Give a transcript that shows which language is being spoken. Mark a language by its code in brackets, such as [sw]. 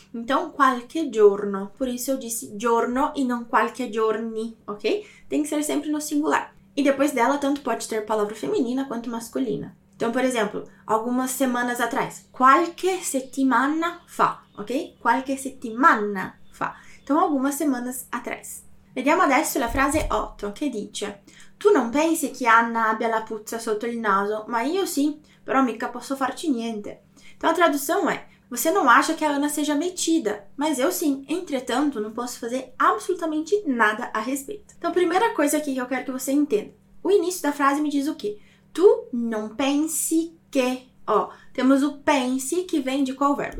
[pt] Então, qualche giorno. Por isso eu disse giorno e não qualche giorni, ok? Tem que ser sempre no singular. E depois dela, tanto pode ter palavra feminina quanto masculina. Então, por exemplo, algumas semanas atrás, [it] qualche settimana fa, [pt] ok? [it] Qualche settimana fa. [pt] Então, algumas semanas atrás. [it] Vediamo adesso la frase 8 che dice: Tu non pensi che Anna abbia la puzza sotto il naso, ma io sì, però mica posso farci niente. [pt] Então a tradução é: Você não acha que a Anna seja metida, mas eu sim, entretanto, não posso fazer absolutamente nada a respeito. Então, primeira coisa aqui que eu quero que você entenda: o início da frase me diz o quê? Tu não pense que. Ó, temos o pense que vem de qual verbo?